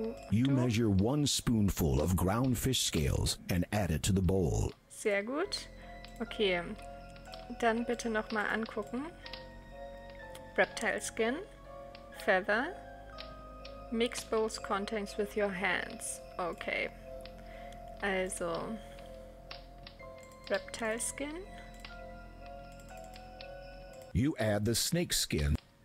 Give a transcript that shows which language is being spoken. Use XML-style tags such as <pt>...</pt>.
<en>You measure one spoonful of ground fish scales and add it to the bowl.</en> <de>Sehr gut. Okay. Dann bitte nochmal angucken.</de> <en>Reptile skin. Feather. Mix both contents with your hands. Okay. Also. Reptile skin. You add the snake skin.</en>